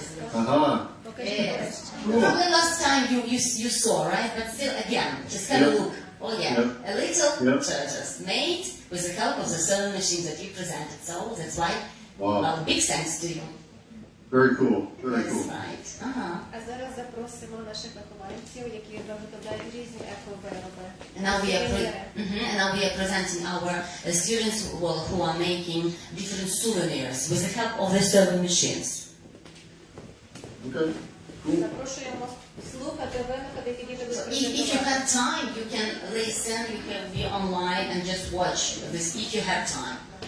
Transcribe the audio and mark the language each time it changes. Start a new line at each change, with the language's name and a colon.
English: Cool. Probably last time you saw, right? But still, again, just have a look. Oh yeah, a little turtles made with the help of the sewing machine that you presented. So that's why, well, big thanks to you. Cool. Very cool. Very That's cool. Right. Uh-huh.
Ukrainian: А зараз запросимо наших вихованців, які виготовляють різні еко-вироби.
English: And now we are presenting our students who are making different souvenirs with the help of the serving machines. Okay. Cool.
Ukrainian: Запрошуємо слухати виходи, які дуже спеціально.
English: If you have time, you can listen, you can be online and just watch this if you have time.